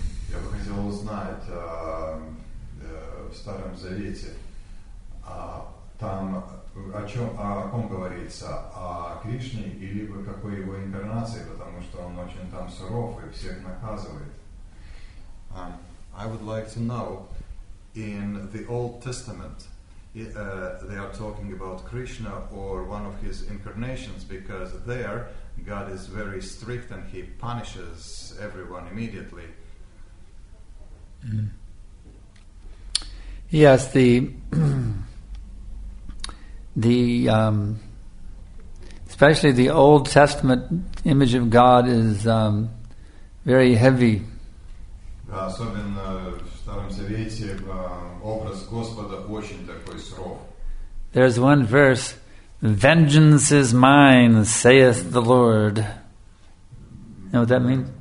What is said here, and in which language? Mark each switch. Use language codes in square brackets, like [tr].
[ru] Я бы хотел узнать в Старом Завете, там о ком говорится, о Кришне или о какой его инкарнации, потому что он очень там суров и всех наказывает. [en] I would like to know in the Old Testament. They are talking about Krishna or one of his incarnations, because there God is very strict and he punishes everyone immediately. Mm. Yes, especially the Old Testament image of God is very heavy. [ru] Особенно в Старом Завете образ Господа очень такой суров. [en] There's one verse, "Vengeance is mine, saith the Lord." You know what that means?